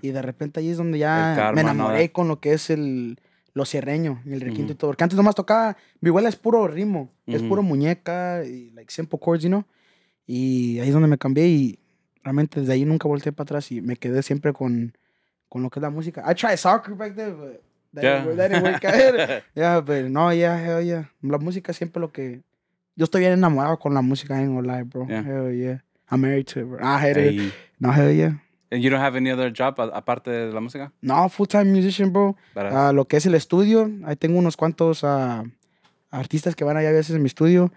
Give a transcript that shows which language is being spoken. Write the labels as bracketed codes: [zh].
[es] Y de repente ahí es donde ya me enamoré con lo que es lo sierreño y el requinto y todo. Porque antes nomás tocaba, mi abuela es puro ritmo, es puro muñeca y [en] like simple chords, you know? [es] Y ahí es donde me cambié y realmente desde ahí nunca volteé para atrás y me quedé siempre con lo que es la música. [en] I tried soccer back then, but that didn't work out. Yeah, but no, yeah, hell yeah. [es] La música es siempre lo que... Yo estoy bien enamorado con la música en online, bro. [en] Yeah. Hell yeah. I'm married to it, bro. I hate it. No, hell yeah. And you don't have any other job [es] aparte de la música? No, [en] full-time musician, [es] bro. Lo que es el estudio. Ahí tengo unos cuantos artistas que van allá a veces en mi estudio.